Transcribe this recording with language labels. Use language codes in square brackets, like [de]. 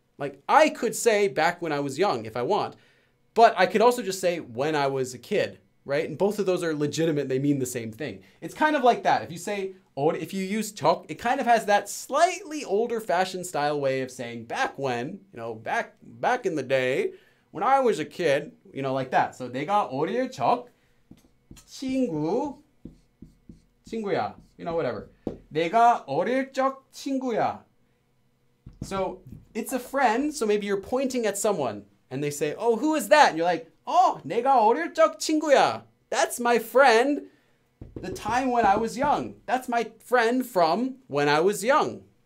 [en] Like I could say back when I was young if I want. But I could also just say when I was a kid, right? And both of those are legitimate. They mean the same thing. It's kind of like that. If you say, or if you use 적, it kind of has that slightly older fashion style way of saying back when, you know, back in the day When I was a kid, you know, like that. [ko] So 내가 어릴 적 친구 친구야. [en] You know, whatever. [ko] 내가 어릴 적 친구야. [en] So it's a friend, so maybe you're pointing at someone and they say, "Oh, who is that?" And you're like, "Oh, [ko] 내가 어릴 적 친구야. [en] That's my friend. The time when I was young. That's my friend from when I was young.